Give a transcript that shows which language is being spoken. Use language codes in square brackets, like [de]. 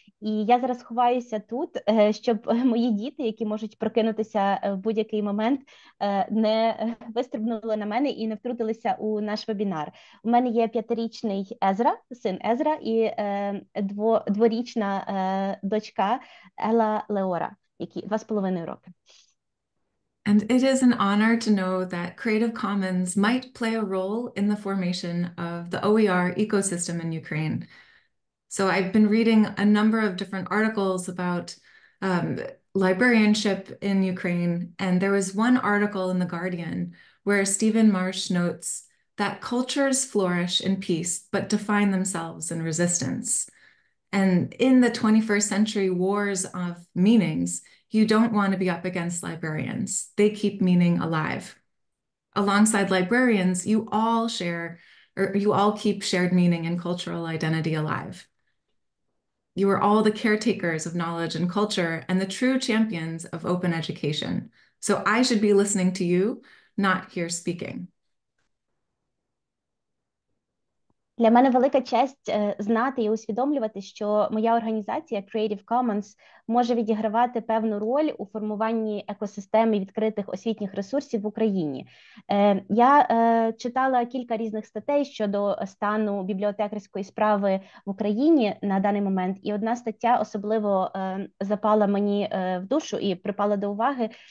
[uk] І я зараз ховаюся тут, щоб мої діти, які можуть прокинутися в будь-який момент, не вистрибнули на мене і не втрутилися у наш вебінар. У мене є п'ятирічний Езра, син Езра, і дворічна дочка Ела Леора, які 2.5 роки. [en] And it is an honor to know that Creative Commons might play a role in the formation of the OER ecosystem in Ukraine. So I've been reading a number of different articles about librarianship in Ukraine, and there was one article in The Guardian where Stephen Marsh notes that cultures flourish in peace but define themselves in resistance. And in the 21st century wars of meanings, you don't want to be up against librarians. They keep meaning alive. Alongside librarians, you all share, or you all keep shared meaning and cultural identity alive. You are all the caretakers of knowledge and culture and the true champions of open education. So I should be listening to you, not here speaking. [uk] Для мене велика честь знати і усвідомлювати, що моя організація Creative Commons може відігравати певну роль у формуванні екосистеми відкритих освітніх ресурсів в Україні. Я читала кілька різних статей щодо стану бібліотекарської справи в Україні на даний момент, і одна стаття особливо запала мені в душу і припала до уваги.